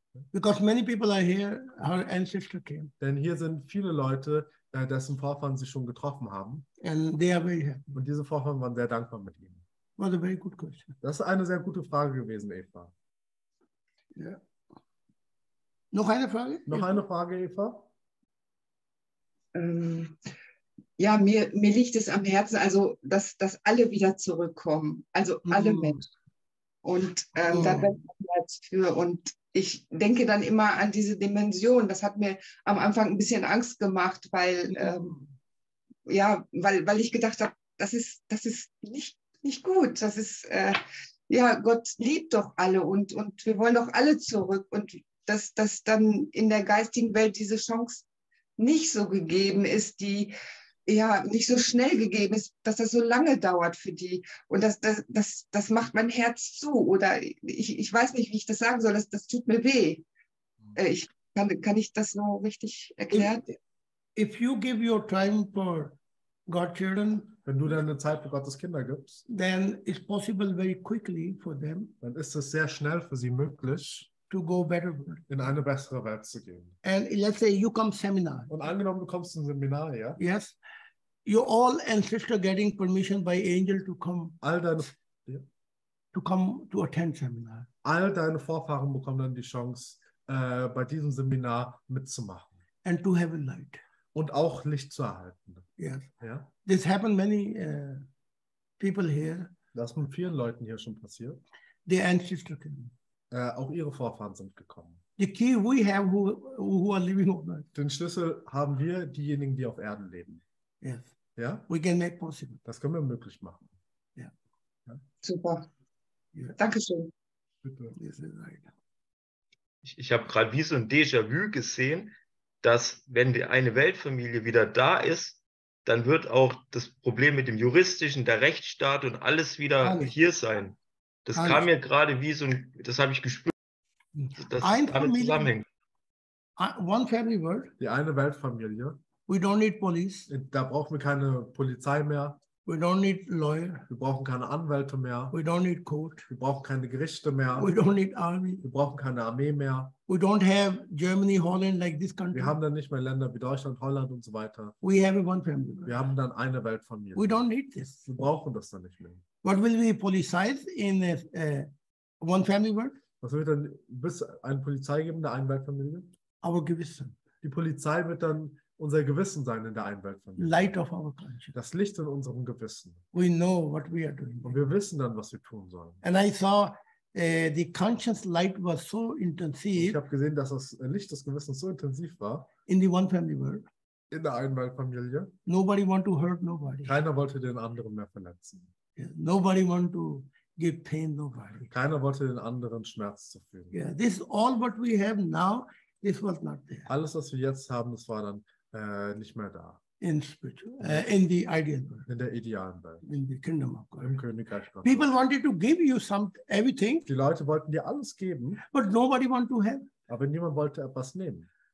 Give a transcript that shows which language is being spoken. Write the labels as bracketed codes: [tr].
[en] Because many people are here, her ancestors came. [de] Denn hier sind viele Leute, dessen Vorfahren sie schon getroffen haben. [en] And they are very happy. [de] Und diese Vorfahren waren sehr dankbar mit ihnen. [en] Was a very good question. [de] Das ist eine sehr gute Frage gewesen, Eva. Ja. Noch eine Frage? Noch eine Frage, Eva? Ja, mir liegt es am Herzen, also dass alle wieder zurückkommen, also alle Menschen. Und dann bin ich dafür. Und ich denke dann immer an diese Dimension. Das hat mir am Anfang ein bisschen Angst gemacht, weil weil ich gedacht habe, das ist nicht gut, das ist ja, Gott liebt doch alle und wir wollen doch alle zurück. Und dass dann in der geistigen Welt diese Chance nicht so gegeben ist, die ja nicht so schnell gegeben ist, dass das so lange dauert für die. Und das macht mein Herz zu. Oder ich weiß nicht, wie ich das sagen soll, das tut mir weh. Kann ich das so richtig erklären? [en] If you give your time for God children, [de] wenn du deine Zeit für Gottes Kinder gibst, [en] then it's possible very quickly for them, [de] dann ist es sehr schnell für sie möglich, [en] to go better, [de] in eine bessere Welt zu gehen. [en] And let's say you come seminar. [de] Und angenommen, du kommst zum Seminar, ja? [en] Yes. You all and sister getting permission by angel to come. [de] All deine, ja. [en] To come to attend seminar. [de] All deine Vorfahren bekommen dann die Chance, bei diesem Seminar mitzumachen. [en] And to have a light. [de] Und auch Licht zu erhalten. [en] Yes. [de] Ja? [en] This happened many people here. [de] Das ist mit vielen Leuten hier schon passiert. [en] The ancestors came. [de] Auch ihre Vorfahren sind gekommen. [en] The key we have who are living on earth. [de] Den Schlüssel haben wir, diejenigen, die auf Erden leben. [en] Yes. [de] Ja? [en] We can make possible. [de] Das können wir möglich machen. [en] Yeah. [de] Ja. Super. Yes. Dankeschön. Bitte. Ich habe gerade wie so ein Déjà-vu gesehen, dass wenn eine Weltfamilie wieder da ist, dann wird auch das Problem mit dem Juristischen, der Rechtsstaat und alles wieder alles hier sein. Das alles kam mir gerade wie so ein, das habe ich gespürt, dass ein das damit zusammenhängt. [en] One family world. [de] Die eine Weltfamilie. [en] We don't need police. [de] Da brauchen wir keine Polizei mehr. [en] We don't need lawyer. [de] Wir brauchen keine Anwälte mehr. [en] We don't need court. [de] Wir brauchen keine Gerichte mehr. [en] We don't need army. [de] Wir brauchen keine Armee mehr. [en] We don't have Germany, Holland like this country. [de] Wir haben dann nicht mehr Länder wie Deutschland, Holland und so weiter. [en] We have a one family. [de] Wir haben dann eine Welt von mir. [en] We don't need this. [de] Wir brauchen das dann nicht mehr. [en] What will we politicize in a one family world? [de] Was wird dann bis eine Polizei geben in der einen Weltfamilie? [en] Our Gewissen. [de] Die Polizei wird dann unser Gewissen sein in der Einweltfamilie. [en] Light of our conscience. [de] Das Licht in unserem Gewissen. [en] We know what we are doing. [de] Und wir wissen dann, was wir tun sollen. [en] And I saw the conscience light was so intensive. [de] Ich habe gesehen, dass das Licht des Gewissens so intensiv war. [en] In the one family world. [de] In der Einweltfamilie. [en] Nobody want to hurt nobody. [de] Keiner wollte den anderen mehr verletzen. [en] Yeah. Nobody want to give pain nobody. [de] Keiner wollte den anderen Schmerz zufügen. [en] Yeah, this is all what we have now. This was not there. [de] Alles, was wir jetzt haben, das war dann nicht mehr da. [en] In spiritual, in the ideal world. [de] In der idealen Welt. [en] In the kingdom of God. [de] Im Königreich [en] Gottes. People wanted to give you some everything. [de] Die Leute wollten dir alles geben. [en] But nobody want to have. [de] Aber niemand wollte etwas nehmen.